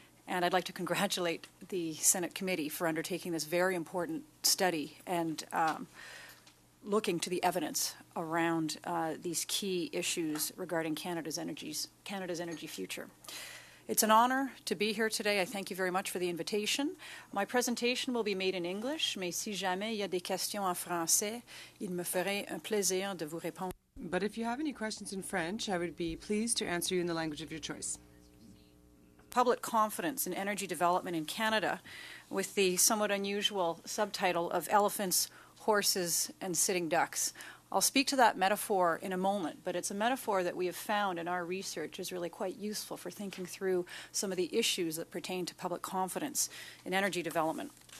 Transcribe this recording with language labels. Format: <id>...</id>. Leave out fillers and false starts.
<en>And I'd like to congratulate the Senate committee for undertaking this very important study and looking to the evidence around these key issues regarding Canada's energy future. It's an honour to be here today. I thank you very much for the invitation. My presentation will be made in English,</en> <fr>mais si jamais il y a des questions en français, il me ferait un plaisir de vous répondre.</fr> <en>But if you have any questions in French, I would be pleased to answer you in the language of your choice. Public confidence in energy development in Canada, with the somewhat unusual subtitle of Elephants, Horses, and Sitting Ducks. I'll speak to that metaphor in a moment, but it's a metaphor that we have found in our research is really quite useful for thinking through some of the issues that pertain to public confidence in energy development.</en>